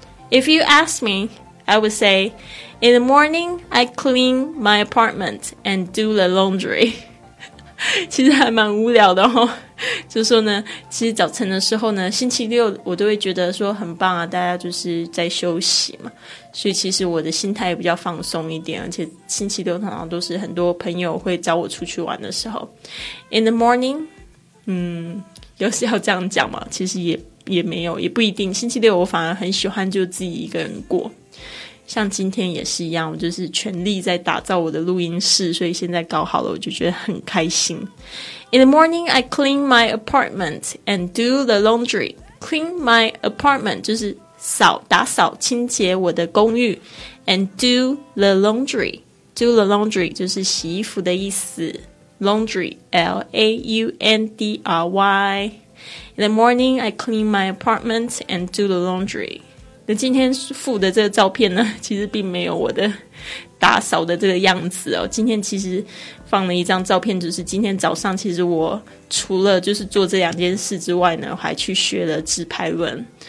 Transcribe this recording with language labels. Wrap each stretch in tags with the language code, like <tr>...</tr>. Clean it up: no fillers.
<en>If you ask me, I would sayIn the morning, I clean my apartment and do the laundry.</en> <zh>其实还蛮无聊的哦。就说呢，其实早晨的时候呢，星期六我都会觉得说很棒啊，大家就是在休息嘛，所以其实我的心态也比较放松一点，而且星期六常常都是很多朋友会找我出去玩的时候。</zh> <en>In the morning,</en> <zh>有时要这样讲嘛，其实也没有，也不一定。星期六我反而很喜欢就自己一个人过。像今天也是一样，我就是全力在打造我的录音室，所以现在搞好了，我就觉得很开心。</zh> <en>In the morning, I clean my apartment and do the laundry. Clean my apartment</en> <zh>就是扫打扫清洁我的公寓 ，</zh> <en>and do the laundry. Do the laundry</en> <zh>就是洗衣服的意思。Laundry, L-A-U-N-D-R-Y.</zh> <en>In the morning, I clean my apartment and do the laundry.</en> <zh>那今天附的这个照片呢，其实并没有我的打扫的这个样子哦。今天其实放了一张照片，就是今天早上其实我除了就是做这两件事之外呢，还去学了自拍轮。</zh>